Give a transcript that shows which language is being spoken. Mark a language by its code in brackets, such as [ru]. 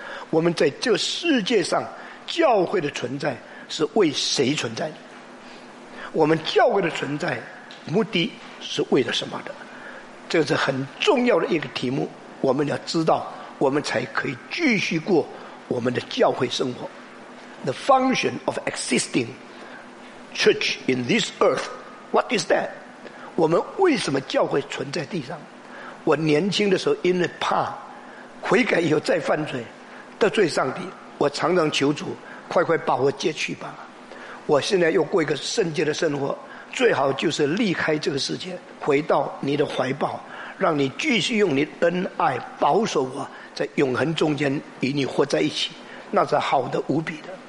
[zh] 我们在这世界上教会的存在是为谁存在的？我们教会的存在目的是为了什么的？这是很重要的一个题目，我们要知道，我们才可以继续过我们的教会生活。 [en] The function of existing church in this earth, what is that? [zh] 我们为什么教会存在地上？我年轻的时候因为怕悔改以后再犯罪得罪上帝，我常常求主快快把我接去吧，我现在又过一个圣洁的生活，最好就是离开这个世界，回到你的怀抱，让你继续用你恩爱保守我，在永恒中间与你活在一起，那是好的无比的。